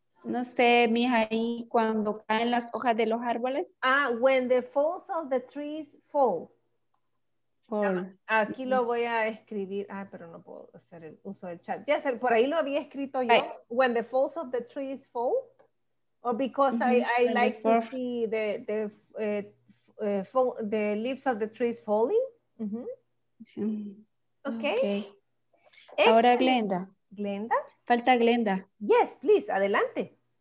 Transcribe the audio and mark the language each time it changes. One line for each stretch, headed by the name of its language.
Spanish: No sé, mija, ahí cuando caen las hojas de los árboles.
English: Ah, when the falls of the trees fall. Fall.
Spanish: Aquí lo voy a escribir. Ah, pero no puedo hacer el uso del chat. Ya sé, por ahí lo había escrito yo.
English: When the falls of the trees fall. Or because I like to see the leaves of the trees falling. Mm-hmm.
Spanish: Sí.
English: Okay.
Spanish: Ahora Glenda. ¿Glenda? Falta Glenda.
English: Yes, please, adelante.